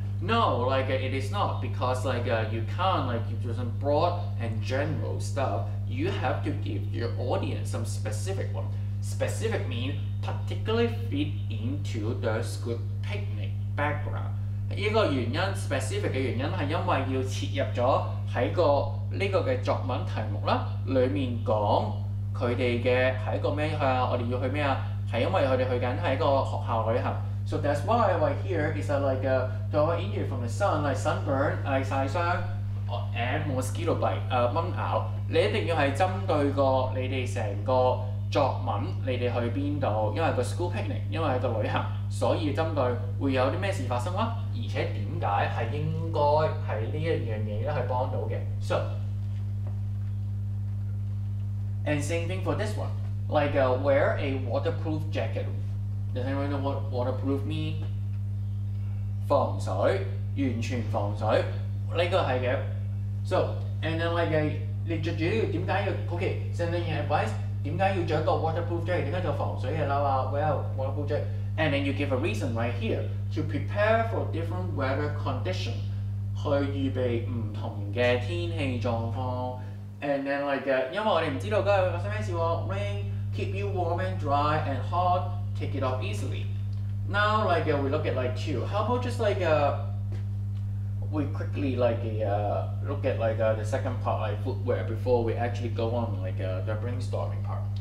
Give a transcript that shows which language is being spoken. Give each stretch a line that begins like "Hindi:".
English: No, like it is not because like you can't like give you some broad and general stuff. You have to give your audience some specific one. Specific mean particularly fit into the school picnic background.
Chinese: 这个原因 specific 的原因是因为要切入了在这个的作文题目里面讲他们的是一个什么我们要去什么是因为他们去的是一个学校旅行
English: So that's why right here is like the injury from the sun like sunburn, like
Chinese: 晒伤
English: and mosquito bite,
Chinese: 蚊咬你一定要是针对过你们整个作文你们去哪里因为是个
English: school picnic,
Chinese: 因为是个旅行所以针对会有什么事发生而且为什么是应该是这件事去帮到的
English: So And same thing for this one Like wear a waterproof jacket Does anyone know what waterproof mean?
Chinese: 防水完全防水这个是的
English: So And then like
Chinese: 你穿着为什么要
English: OK Sending you advice
Chinese: 为什么要穿一个
English: waterproof jacket
Chinese: 为什么要防水的啦
English: Well waterproof jacket And then you give a reason right here To prepare for different weather conditions
Chinese: 去预备不同的天气状况
English: And then like that
Chinese: 因为我们不知道今天发生什么事
English: Rain keep you warm and dry and hot Take it off easily Now like we look at like two How about just like We quickly like look at like the second part like footwear before we actually go on like the brainstorming part.